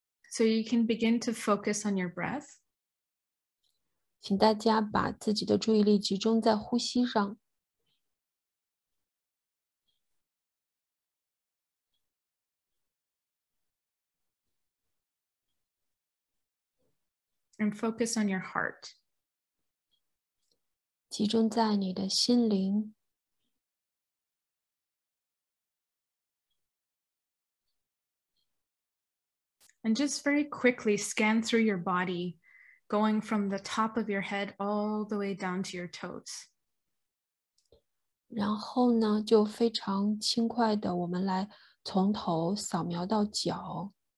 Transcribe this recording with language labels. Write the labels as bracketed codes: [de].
[en] So you can begin to focus on your breath. [zh] 请大家把自己的注意力集中在呼吸上。 [en] And focus on your heart. [zh] 集中在你的心灵。 [en] And just very quickly scan through your body, going from the top of your head all the way down to your toes. [zh] 然后呢，就非常轻快的，我们来从头扫描到脚。